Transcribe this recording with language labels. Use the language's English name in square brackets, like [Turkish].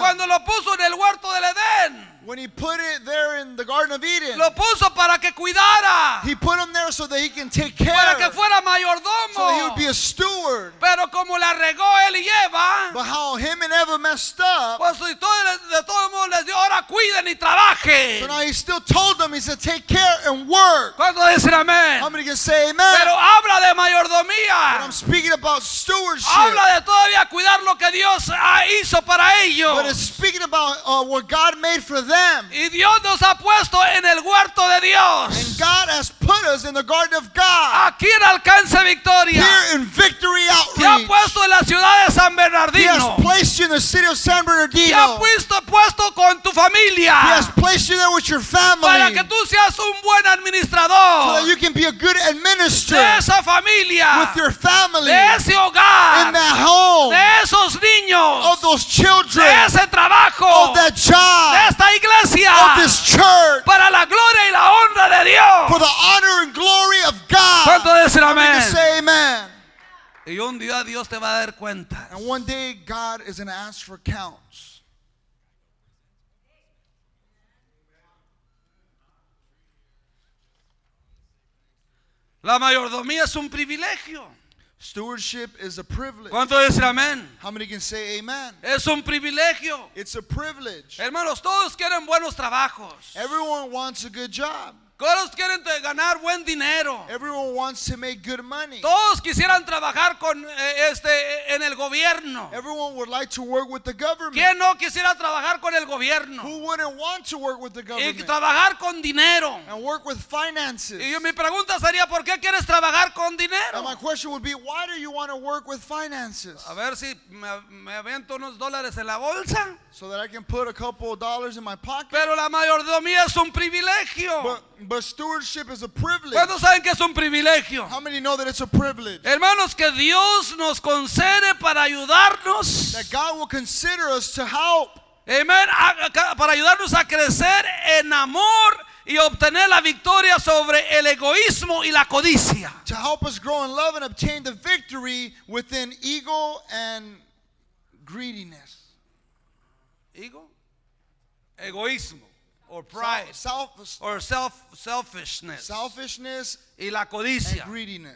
[Spanish] Cuando lo puso en el huerto del Edén. [English] When he put it there in the Garden of Eden. [Spanish] Lo puso para que cuidara. [English] He put him there so that he can take care. [Spanish] Para que fuera mayordomo. [English] So that he would be a steward. [Spanish] Pero como la regó él y Eva. [English] But how him and Eva messed up. [Spanish] Pues de todo modo les dio, ahora cuiden y trabajen. [English] So now he still told them, he said, take care and work. [Spanish] ¿Cuánto dicen amén? [English] How many can say amen? [Spanish] Pero habla de mayordomía. [English] But I'm speaking about stewardship. [Spanish] Habla de todavía cuidar lo que Dios hizo para ellos. [English] But it's speaking about what God made for them. [Spanish] Y Dios nos ha puesto en el huerto de Dios. [English] And God has put us in the garden of God. [Spanish] Aquí en Alcance Victoria. [English] Here in Victory Outreach. [Spanish] Te ha puesto en la ciudad de San Bernardino. [English] He has placed you in the city of San Bernardino. [Spanish] Te ha puesto con tu familia. [English] He has placed you there with your family. [Spanish] Para que tú seas un buen administrador. [English] So that you can be a good administrator. [Spanish] De esa familia. [English] With your family. [Spanish] De ese hogar. [English] In that home. [Spanish] De esos niños. [English] Of those children. [Spanish] De ese trabajo. [English] Of that job. [Spanish] De esta iglesia. [English] Of this church. [Spanish] Para la gloria y la honra de Dios. [English] For the honor and glory of God. [Spanish] ¿Cuánto dicen amén? [English] Say amen. [Spanish] Y un día Dios te va a dar cuentas. [English] And one day God is going to ask for counts. [Spanish] La mayordomía es un privilegio. [English] Stewardship is a privilege. [Spanish] ¿Cuánto dicen amén? [English] How many can say amen? [Spanish] Es un privilegio. [English] It's a privilege. [Spanish] Hermanos, todos quieren buenos trabajos. [English] Everyone wants a good job. [Spanish] Todos quieren ganar buen dinero. [English] Everyone wants to make good money. [Spanish] Todos quisieran trabajar con en el gobierno. [English] Everyone would like to work with the government. [Spanish] ¿Quién no quisiera trabajar con el gobierno? [English] Who wouldn't want to work with the government? [Spanish] Y trabajar con dinero. [English] And work with finances. [Spanish] Y yo, mi pregunta sería, ¿por qué quieres trabajar con dinero? [English] And my question would be, why do you want to work with finances? [Spanish] A ver si me avento unos dólares en la bolsa. [English] So that I can put a couple of dollars in my pocket. [Spanish] Pero la mayordomía es un privilegio. [English] But stewardship is a privilege. [Spanish] ¿Cuántos saben que es un privilegio? [English] How many know that it's a privilege? [Spanish] Hermanos, que Dios nos concede para ayudarnos. [English] That God will consider us to help. [Spanish] Amen. Para ayudarnos a crecer en amor y obtener la victoria sobre el egoísmo y la codicia. [English] To help us grow in love and obtain the victory within ego and greediness. Ego? [Spanish] Egoísmo. [English] Or pride. Selfishness. Selfishness. [Spanish] Y la codicia. [English] And greediness.